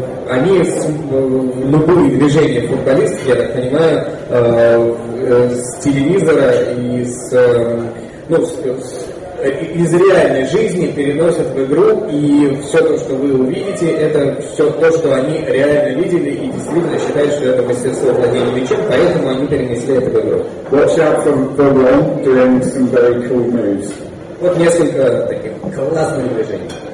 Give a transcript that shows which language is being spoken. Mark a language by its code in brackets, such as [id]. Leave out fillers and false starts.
[ru] Они любые движения футболистов, я так понимаю, с телевизора и с, ну, с из реальной жизни переносят в игру, и все то, что вы увидите, это все то, что они реально видели и действительно считают, что это мастерство владения мячом, поэтому они перенесли это в игру. [en] Watch out for the one doing some very cool moves. [ru] Вот несколько таких классных движений.